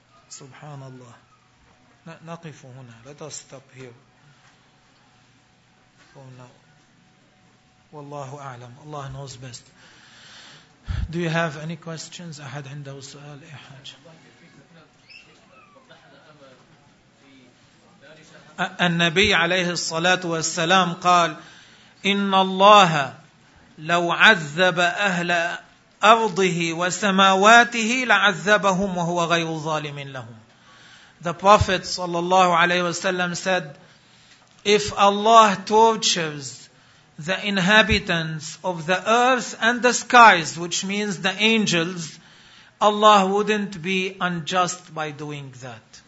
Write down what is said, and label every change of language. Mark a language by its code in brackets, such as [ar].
[en] Subhanallah. [ar] نَقِفُ هُنَا. [en] Let us stop here. [ar] والله أعلم. [en] Allah knows best. Do you have any questions? I had [ar] عنده سؤال أي حاجة. النبي عليه الصلاة والسلام قال إن الله لو عذب أهل أرضه وسماواته لعذبهم وهو غير ظالم لهم. [en] The Prophet صلى الله عليه وسلم said, if Allah tortures the inhabitants of the earth and the skies, which means the angels, Allah wouldn't be unjust by doing that.